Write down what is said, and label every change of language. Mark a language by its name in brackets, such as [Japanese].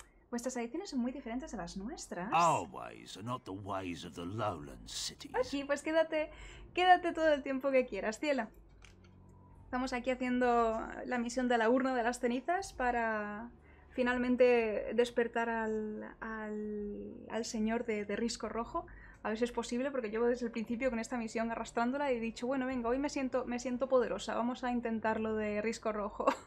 [Spanish] Vuestras tradiciones son muy diferentes a las nuestras. [English] Our ways are not the ways of the lowland cities. [Spanish] Ok, pues quédate todo el tiempo que quieras, cielo. Estamos aquí haciendo la misión de la urna de las cenizas para finalmente despertar al señor de Risco Rojo. A ver si es posible, porque llevo desde el principio con esta misión arrastrándola y he dicho, bueno, venga, hoy me siento poderosa, vamos a intentar lo de Risco Rojo.